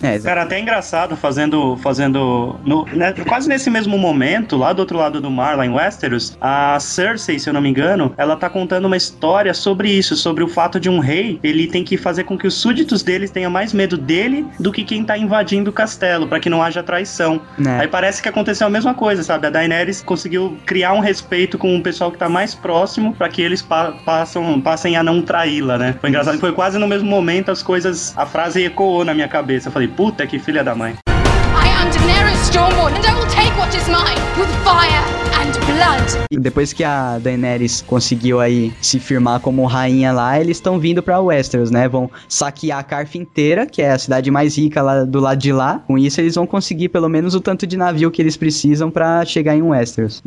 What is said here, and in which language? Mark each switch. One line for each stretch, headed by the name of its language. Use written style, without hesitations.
Portuguese: É, cara, até é engraçado fazendo no, né, quase nesse mesmo momento, lá do outro lado do mar, lá em Westeros, a Cersei, se eu não me engano, ela tá contando uma história sobre isso, sobre o fato de um rei, ele tem que fazer com que os súditos dele tenham mais medo dele do que quem tá invadindo o castelo, pra que não haja traição. É. Aí parece que aconteceu a mesma coisa, sabe? A Daenerys conseguiu criar um respeito com o pessoal que tá mais próximo pra que eles passem a não traí-la, né? Foi engraçado. Isso. Foi quase no mesmo momento as coisas, a frase ecoou na minha cabeça. Eu falei, puta que filha da mãe.
English: I am Daenerys Stormborn and I will take what is mine with fire.
Portuguese: Depois que a Daenerys conseguiu aí se firmar como rainha lá, eles estão vindo pra Westeros, né? Vão saquear a Carf inteira, que é a cidade mais rica lá do lado de lá. Com isso, eles vão conseguir pelo menos o tanto de navio que eles precisam pra chegar em Westeros.